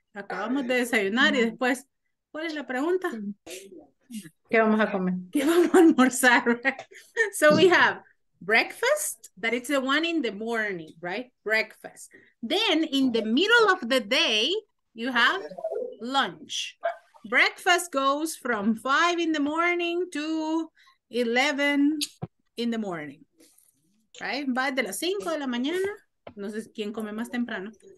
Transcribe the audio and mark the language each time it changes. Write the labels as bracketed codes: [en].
[es] Acabamos de desayunar y después, ¿cuál es la pregunta? ¿Qué vamos a comer? ¿Qué vamos a almorzar? [en] So we have breakfast, that it's the one in the morning, right? Breakfast. Then in the middle of the day, you have lunch. Breakfast goes from 5 in the morning to 11 in the morning, right? [es] Va de las 5 de la mañana, no sé quién come más temprano.